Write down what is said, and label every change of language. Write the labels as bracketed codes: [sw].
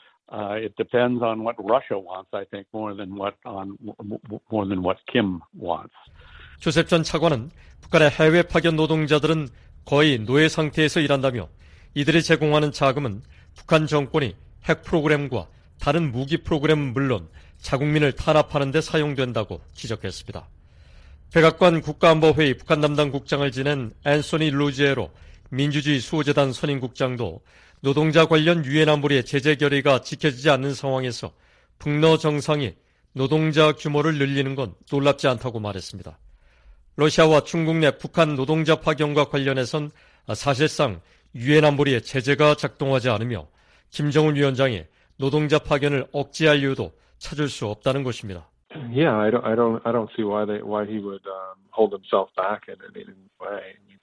[en] It depends on what Russia wants, I think, more than what Kim wants. [ko] 조셉 전 차관은 북한의 해외 파견 노동자들은 거의 노예 상태에서 일한다며 이들이 제공하는 자금은 북한 정권이 핵 프로그램과 다른 무기 프로그램은 물론 자국민을 탄압하는 데 사용된다고 지적했습니다. 백악관 국가안보회의 북한 담당 국장을 지낸 앤소니 루지에로 민주주의 수호재단 선임 국장도 노동자 관련 유엔 안보리의 제재 결의가 지켜지지 않는 상황에서 북러 정상이 노동자 규모를 늘리는 건 놀랍지 않다고 말했습니다. 러시아와 중국 내 북한 노동자 파견과 관련해선 사실상 유엔 안보리의 제재가 작동하지 않으며 김정은 위원장이 노동자 파견을 억제할 이유도 찾을 수 없다는 것입니다. [en] Yeah, I don't see why he would hold himself back in any way.